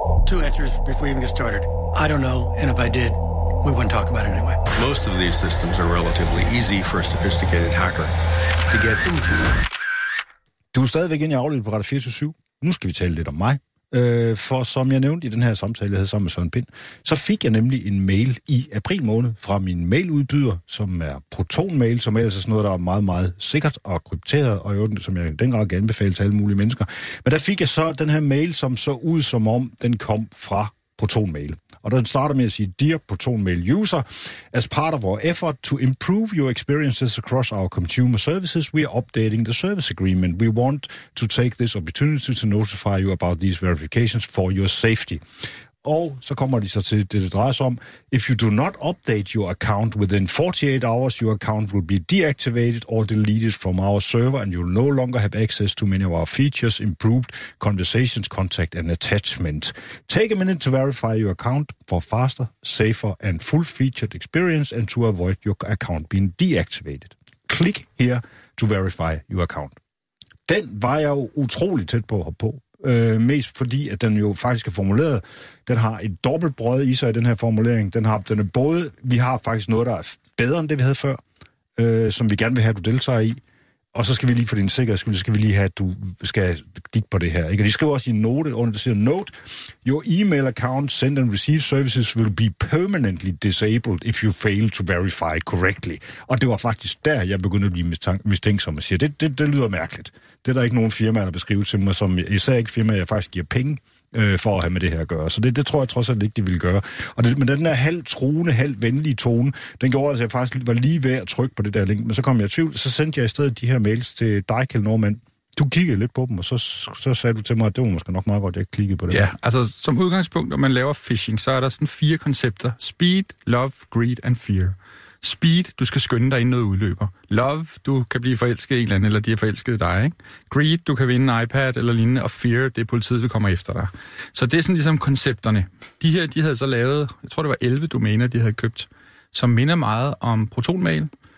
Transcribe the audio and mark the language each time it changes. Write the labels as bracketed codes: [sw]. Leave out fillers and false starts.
[en] Two answers before you even get started. I don't know, and if I did, we wouldn't talk about it anyway. Most of these systems are relatively easy for a sophisticated hacker to get into. [da] Du er stadigvæk inde i aflyttet på Radio 24/7. Nu skal vi tale lidt om mig. For som jeg nævnte i den her samtale, jeg havde sammen med Søren Pind, så fik jeg nemlig en mail i april måned fra min mailudbyder, som er ProtonMail, som ellers er sådan noget, der er meget, meget sikkert og krypteret, og jo, som jeg dengang kan anbefale til alle mulige mennesker. Men der fik jeg så den her mail, som så ud som om, den kom fra ProtonMail. Og den starter med at sige, [en] Dear ProtonMail user, as part of our effort to improve your experiences across our consumer services, we are updating the service agreement. We want to take this opportunity to notify you about these verifications for your safety. [da] Og så kommer de så til det drejer sig om, [en] if you do not update your account within 48 hours, your account will be deactivated or deleted from our server, and you'll no longer have access to many of our features, improved conversations, contact and attachment. Take a minute to verify your account for faster, safer and full-featured experience, and to avoid your account being deactivated. Click here to verify your account. [da] Den var jeg jo utrolig tæt på at hoppe på. Mest fordi, at den jo faktisk er formuleret. Den har et dobbelt brød i sig i den her formulering. Den er både, vi har faktisk noget, der er bedre end det, vi havde før, som vi gerne vil have, at du deltager i. Og så skal vi lige for din sikkerhed, så skal vi lige have, at du skal kigge på det her. Ikke? Og de skriver også i note, under det siger, [en] note, your email account send and receive services will be permanently disabled if you fail to verify correctly. [da] Og det var faktisk der, jeg begyndte at blive mistænksom og siger, det lyder mærkeligt. Det er der ikke nogen firma, der beskriver til mig, som især ikke firma, jeg faktisk giver penge for at have med det her at gøre. Så det tror jeg trods alt ikke, de ville gøre. Og det, men den der halv truende, halv venlige tone, den gjorde, at jeg faktisk var lige ved at trykke på det der link. Men så kom jeg i tvivl, så sendte jeg i stedet de her mails til dig, Kjell Normand. Du kiggede lidt på dem, og så sagde du til mig, at det var måske nok meget godt, at jeg kiggede på det. Ja, altså som udgangspunkt, når man laver phishing, så er der sådan fire koncepter. [en] Speed, love, greed and fear. [da] Speed, du skal skynde dig, inden noget udløber. Love, du kan blive forelsket i en eller anden, eller de er forelsket i dig. Ikke? Greed, du kan vinde en iPad eller lignende. Og fear, det er politiet, vi kommer efter dig. Så det er sådan ligesom koncepterne. De her, de havde så lavet, jeg tror det var 11 domæner, de havde købt, som minder meget om ProtonMail.